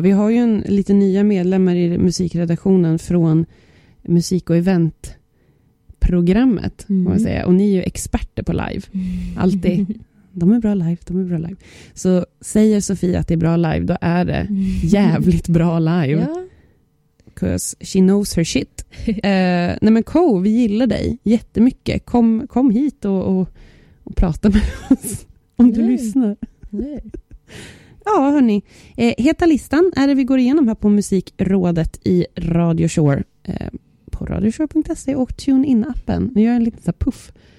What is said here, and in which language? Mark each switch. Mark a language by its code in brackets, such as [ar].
[sv] Vi har ju en lite nya medlemmar i musikredaktionen från musik- och eventprogrammet, kan man säga. Och ni är ju experter på live. Alltid. De är bra live, de är bra live. Så säger Sofia att det är bra live, då är det jävligt bra live. Ja. [en] 'Cause she knows her shit. [sv] Nej men Co, vi gillar dig jättemycket. Kom hit och prata med oss om du lyssnar. Nej. Ja hörni, Heta listan är det vi går igenom här på Musikrådet i Radio Shore. På radioshore.se och TuneIn-appen. Nu gör jag en liten så här puff.